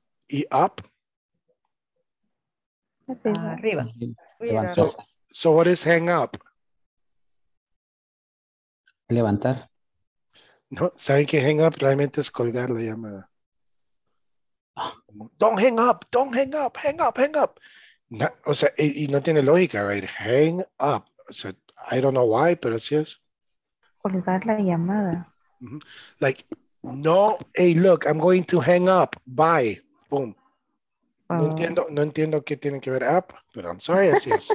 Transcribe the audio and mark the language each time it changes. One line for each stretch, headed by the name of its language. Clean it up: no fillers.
Spanish: Y up? Arriba.
English: So what is hang up?
Spanish: Levantar. No, ¿saben que hang up realmente es colgar la llamada?
English: Don't hang up, don't hang up, hang up, hang up.
Spanish: No, o sea, y no tiene lógica, right?
English: Hang up.
Spanish: O sea,
English: I don't know why,
Spanish: pero así es. Colgar la llamada.
English: Like, no, hey, look, I'm going to hang up. Bye. Boom. Ah,
Spanish: No entiendo qué tiene que ver app,
English: but I'm sorry,
Spanish: así es.